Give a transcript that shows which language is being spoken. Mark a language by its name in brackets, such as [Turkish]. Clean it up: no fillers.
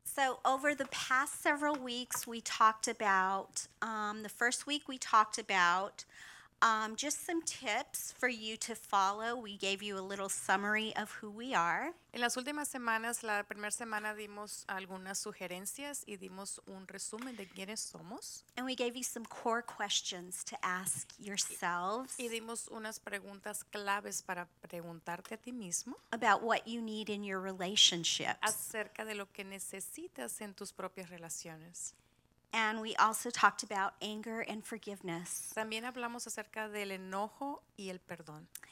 [English] So over the past several weeks, we talked about, the first week we talked about just some tips for you to follow. We gave you a little summary of who we are. [Spanish] En las últimas semanas, la primera semana dimos algunas sugerencias y dimos un resumen de quiénes somos. [English] And we gave you some core questions to ask yourselves. [Spanish] Y dimos unas preguntas claves para preguntarte a ti mismo. [English] About what you need in your relationships. [Spanish] Acerca de lo que necesitas en tus propias relaciones. [English] And we also talked about anger and forgiveness. [Spanish] También hablamos acerca del enojo y el perdón.